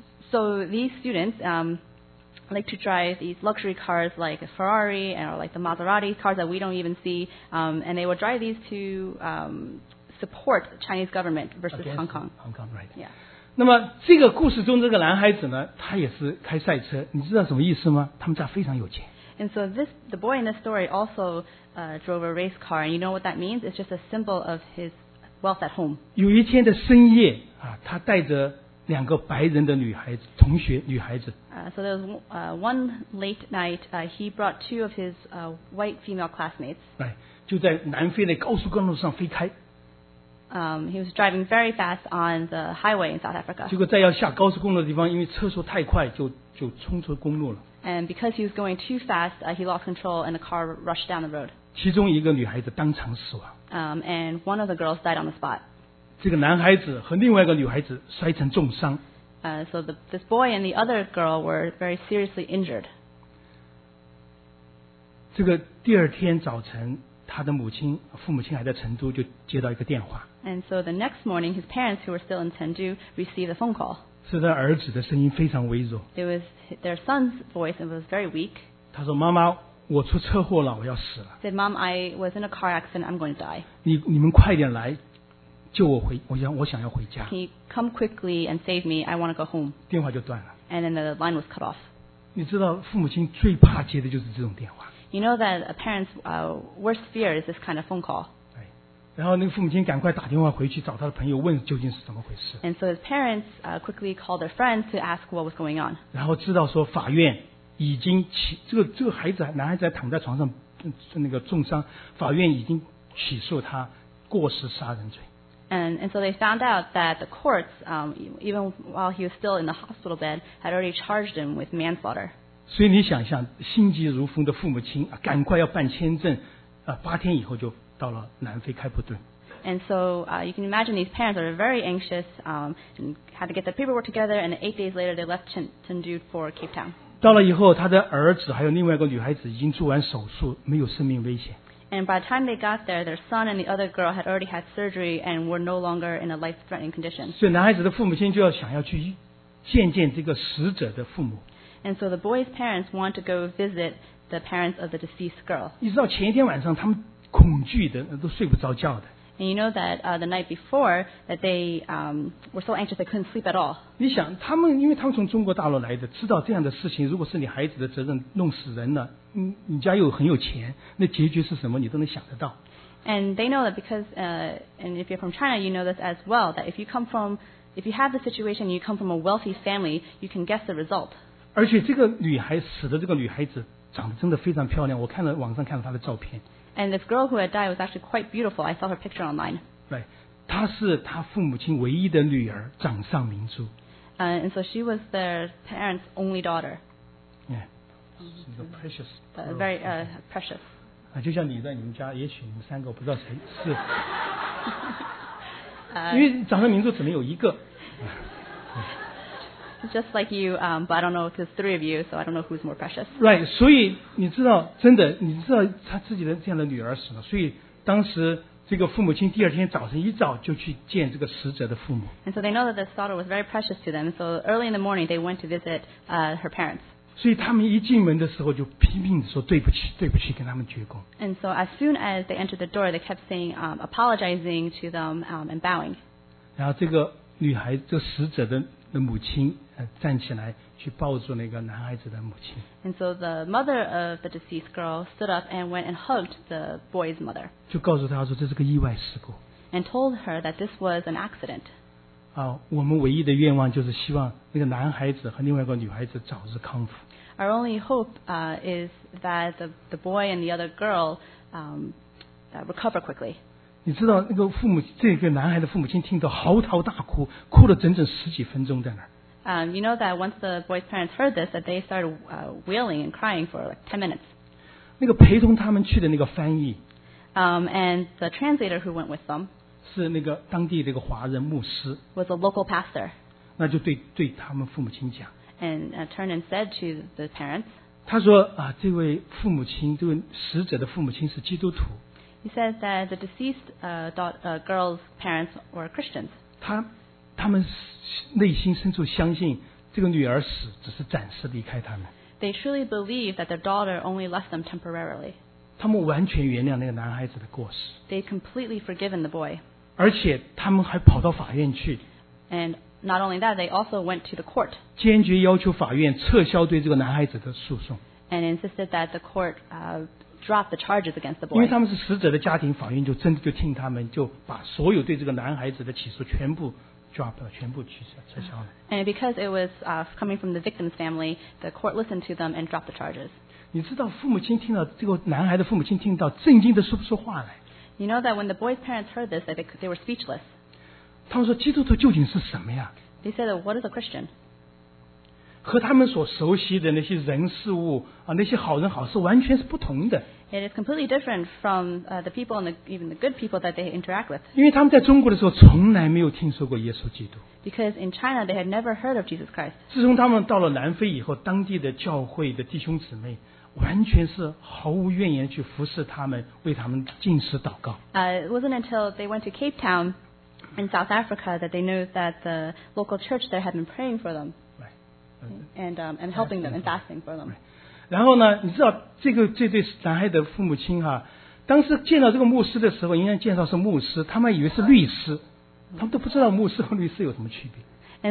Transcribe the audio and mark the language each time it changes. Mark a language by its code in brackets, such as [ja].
[en] So these students like to drive these luxury cars like a Ferrari or like the Maserati cars that we don't even see, and they will drive these to support the Chinese government versus against Hong Kong. Hong Kong, right. Yeah. [zh] 那么这个故事中这个男孩子呢，他也是开赛车，你知道什么意思吗？他们家非常有钱。 [en] And so the boy in this story also drove a race car, and you know what that means? It's just a symbol of his wealth at home. [zh] 有一天的深夜他带着两个白人的女孩子，同学女孩子。 [en] So there was one late night, he brought two of his white female classmates. [zh] Right, 就在南非的高速公路上飞开。 [en] He was driving very fast on the highway in South Africa. [zh] 结果在要下高速公路的地方，因为车速太快，就冲出公路了。 [en] And because he was going too fast, he lost control and the car rushed down the road. [zh] 其中一个女孩子当场死亡。 [en] And one of the girls died on the spot. [zh] 这个男孩子和另外一个女孩子摔成重伤。 [en] So this boy and the other girl were very seriously injured. [zh] 这个第二天早晨，他的父母亲还在成都，就接到一个电话。 [en] And so the next morning, his parents who were still in Chengdu received a phone call. [zh] 是他儿子的声音非常微弱。 [en] It was their son's voice and was very weak. [zh] 他说：“妈妈，我出车祸了，我要死了。 [en] ”Said mom, I was in a car accident, I'm going to die. [zh] 你们快点来。救我回，我想要回家。 [en] He come quickly and save me. I want to go home. [zh] 电话就断了。 [en] And then the line was cut off. [zh] 你知道父母亲最怕接的就是这种电话。 [en] You know that a parent's worst fear is this kind of phone call. [zh] 对。然后那个父母亲赶快打电话回去找他的朋友，问究竟是怎么回事。 [en] And so his parents quickly called their friends to ask what was going on. [zh] 然后知道说法院已经这个孩子男孩子躺在床上那个重伤，法院已经起诉他过失杀人罪。 [en] And so they found out that the courts, even while he was still in the hospital bed, had already charged him with manslaughter. [zh] 所以你想象心急如焚的父母亲赶快要办签证，八天以后就到了南非开普敦。 [en] And so you can imagine these parents are very anxious, and had to get the paperwork together. And 8 days later, they left Chengdu for Cape Town. [zh] 到了以后，他的儿子还有另外一个女孩子已经做完手术，没有生命危险。 [en] And by the time they got there, their son and the other girl had already had surgery and were no longer in a life-threatening condition. [zh] 所以男孩子的父母亲就要想要去见见这个死者的父母。 [en] And so the boy's parents want to go visit the parents of the deceased girl. [zh] 一直到前一天晚上，他们恐惧的，都睡不着觉的。 [en] And you know that the night before that they were so anxious they couldn't sleep at all. [zh] 你想他们，因为他们从中国大陆来的，知道这样的事情，如果是你孩子的责任弄死人了，你家又很有钱，那结局是什么你都能想得到。 [en] And they know that because and if you're from China, you know this as well, that if you come from, if you have the situation, you come from a wealthy family, you can guess the result. [zh] 而且这个女孩死的这个女孩子长得真的非常漂亮，我看了网上看了她的照片。 [en] And this girl who had died was actually quite beautiful. I saw her picture online. Right. [zh] 她是她父母亲唯一的女儿，掌上明珠。 [en] And so she was their parents' only daughter. Yeah. She's a precious girl. Very precious. [zh] 就像你在你们家，也许你们三个不知道谁是。因为掌上明珠只能有一个。 [en] Just like you, but I don't know, because three of you, so I don't know who's more precious. [zh] Right, 所以你知道，真的，你知道他自己的这样的女儿死了，所以当时这个父母亲第二天早晨一早就去见这个死者的父母。 [en] And so they know that this daughter was very precious to them, so early in the morning they went to visit her parents. [zh] 所以他们一进门的时候就拼命地说对不起，对不起，跟他们鞠躬。 [en] And so as soon as they entered the door, they kept saying, apologizing to them, and bowing. [zh] 然后这个女孩，这死者的母亲站起来去抱住那个男孩子的母亲。 [en] And so the mother of the deceased girl stood up and went and hugged the boy's mother. [zh] 就告诉他说这是个意外事故。 [en] And told her that this was an accident. [zh] 啊，我们唯一的愿望就是希望那个男孩子和另外一个女孩子早日康复。 [en] Our only hope is that the boy and the other girl recover quickly. [zh] 你知道那个父母，这个男孩的父母亲听到嚎啕大哭，哭了整整十几分钟在那儿。 [en] You know that once the boy's parents heard this, that they started wailing and crying for like 10 minutes. [zh] 那个陪同他们去的那个翻译。 [en] And the translator who went with them. [zh] 是那个当地的一个华人牧师。 [en] Was a local pastor. [zh] 那就对他们父母亲讲。 [en] And turned and said to the parents. [zh] 他说啊，这位父母亲，这位死者的父母亲是基督徒。 [en] He says that the deceased girl's parents were Christians. [zh] 他们内心深处相信这个女儿死只是暂时离开他们。 [en] They truly believe that their daughter only left them temporarily. [zh] 他们完全原谅那个男孩子的过失。 [en] They completely forgiven the boy. [zh] 而且他们还跑到法院去。 [en] And not only that, they also went to the court. [zh] 坚决要求法院撤销对这个男孩子的诉讼。 [en] And insisted that the court drop the charges against the boy. [zh] 因为他们是死者的家庭，法院就真的就听他们，就把所有对这个男孩子的起诉全部 drop 了，全部取消撤销了。 [en] And because it was coming from the victim's family, the court listened to them and dropped the charges. [zh] 你知道父母亲听到这个男孩的父母亲听到，震惊的说不出话来。 [en] You know that when the boy's parents heard this, that they were speechless. [zh] 他们说基督徒究竟是什么呀 [en] ？They said, "What is a Christian?" [zh] 和他们所熟悉的那些人事物啊，那些好人好事完全是不同的。 [en] It is completely different from the people and even the good people that they interact with. [zh] 因为他们在中国的时候从来没有听说过耶稣基督。 [en] Because in China they had never heard of Jesus Christ. [zh] 自从他们到了南非以后，当地的教会的弟兄姊妹完全是毫无怨言去服侍他们，为他们进食祷告。 [en] It wasn't until they went to Cape Town in South Africa that they knew that the local church there had been praying for them. Right. And helping them and fasting for them. Right. [zh] 然后呢你知道这对男孩的父母亲哈、啊、当时见到这个牧师的时候应该介绍是牧师他们以为是律师他们都不知道牧师和律师有什么区别。